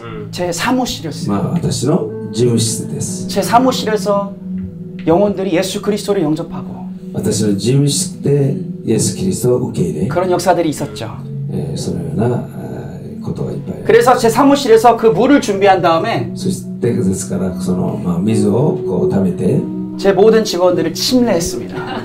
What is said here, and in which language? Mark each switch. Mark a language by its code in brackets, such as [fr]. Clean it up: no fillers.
[ko] 그냥 제 사무실이었습니다. [ja] まあ、私の事務室です. [ko] 제 사무실에서 영혼들이 예수 그리스도를 영접하고. [ja] 私の事務室でイエスキリストを受け入れ. [ko] 그런 역사들이 있었죠. [ja] そのようなことがいっぱい. [ko] 그래서 제 사무실에서 그 물을 준비한 다음에. [ja] そして、ですから、その、水をこう、貯めて. [ko] 제 모든 직원들을 침례했습니다.